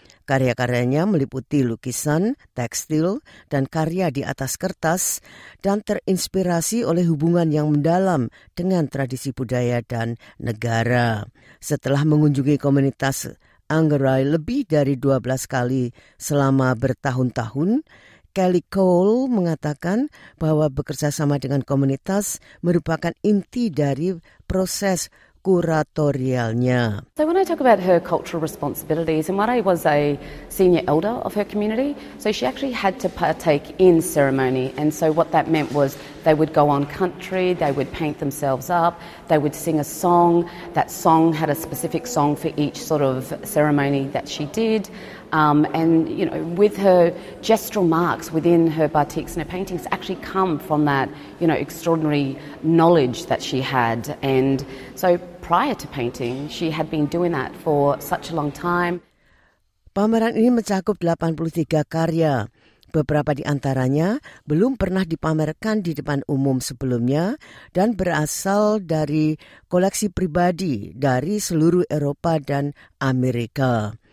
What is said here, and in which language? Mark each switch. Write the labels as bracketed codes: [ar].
[id] Karya-karyanya meliputi lukisan, tekstil, dan karya di atas kertas dan terinspirasi oleh hubungan yang mendalam dengan tradisi budaya dan negara. Setelah mengunjungi komunitas Angrai lebih dari 12 kali selama bertahun-tahun, Kelly Cole mengatakan bahwa bekerja sama dengan komunitas merupakan inti dari proses kuratorialnya. [en] So when I talk about her cultural responsibilities, and Marae was a senior elder of her community, so she actually had to partake in ceremony. And so what that meant was they would go on country, they would paint themselves up, they would sing a song. That song had a specific song for each sort of ceremony that she did. And, you know, with her gestural marks within her batiks and her paintings actually come from that, you know, extraordinary knowledge that she had. And so prior to painting, she had been doing that for such a long time. [id] Pameran ini mencakup 83 karya. Beberapa di antaranya belum pernah dipamerkan di depan umum sebelumnya dan berasal dari koleksi pribadi dari seluruh Eropa dan Amerika.